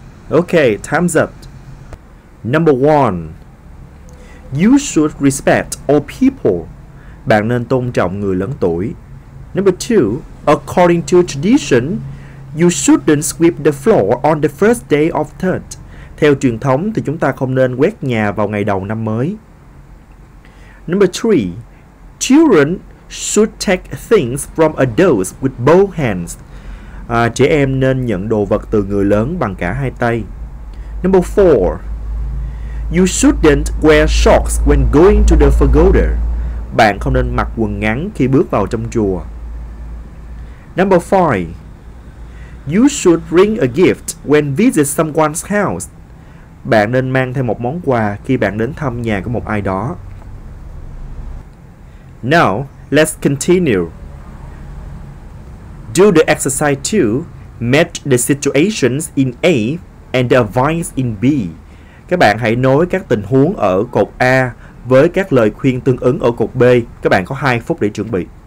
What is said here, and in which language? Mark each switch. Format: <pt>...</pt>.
<en>Okay, time's up. Number 1. You should respect old people.</en> <vi>Bạn nên tôn trọng người lớn tuổi.</vi> <en>Number 2. According to tradition, you shouldn't sweep the floor on the first day of third.</en> <vi>Theo truyền thống thì chúng ta không nên quét nhà vào ngày đầu năm mới.</vi> <en>Number 3. Children should take things from adults with both hands.</en> <vi>Trẻ em nên nhận đồ vật từ người lớn bằng cả hai tay.</vi> <en>Number 4. You shouldn't wear shorts when going to the pagoda.</en> <vi>Bạn không nên mặc quần ngắn khi bước vào trong chùa.</vi> <en>Number 5. You should bring a gift when visit someone's house.</en> <vi>Bạn nên mang thêm một món quà khi bạn đến thăm nhà của một ai đó.</vi> <en>Now, let's continue. Do the exercise 2, match the situations in A and the advice in B.</en> <vi>Các bạn hãy nối các tình huống ở cột A với các lời khuyên tương ứng ở cột B. Các bạn có 2 phút để chuẩn bị.</vi>